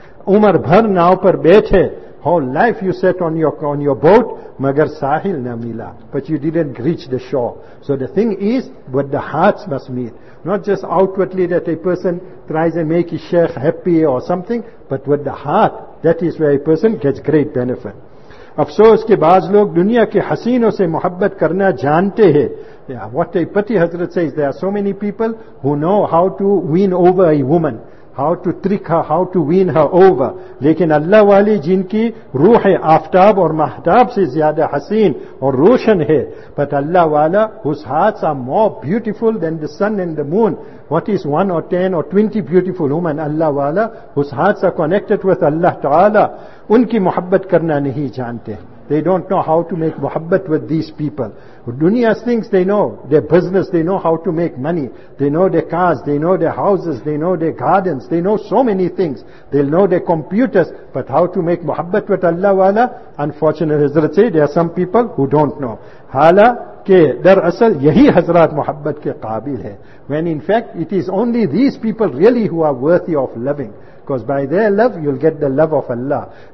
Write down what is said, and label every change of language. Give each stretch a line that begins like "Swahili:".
Urdu: عمر بھر ناؤ پر بیٹھے.
English: Whole life you sat on your boat,
Urdu: magar sahil na mila.
English: But you didn't reach the shore. So the thing is, but the hearts must meet. Not just outwardly that a person tries and make his sheikh happy or something, but with the heart, that is where a person gets great benefit.
Urdu: افسوس کے بعض لوگ دنیا کے حسینوں سے محبت کرنا جانتے ہیں.
English: What a pity, Hazrat says, there are so many people who know how to win over a woman, how to trick her, how to win her over.
Urdu: لیکن اللہ والی جن کی روح آفتاب اور مہتاب سے زیادہ حسین اور روشن ہے.
English: But اللہ والا whose hearts are more beautiful than the sun and the moon. What is 1 or 10 or 20 beautiful women? Allah wala, whose hearts are connected with Allah Ta'ala,
Urdu: unki muhabbat karna nahi jante.
English: They don't know how to make muhabbat with these people. Dunya's things they know, their business, they know how to make money. They know their cars, they know their houses, they know their gardens, they know so many things. They'll know their computers, but how to make muhabbat with Allah wala? Unfortunately, Hazrat say, there are some people who don't know.
Urdu: Hala کہ دراصل یہی حضرات محبت کے قابل ہیں.
English: When in fact it is only these people really who are worthy of loving. Because by their love you'll get the love of Allah.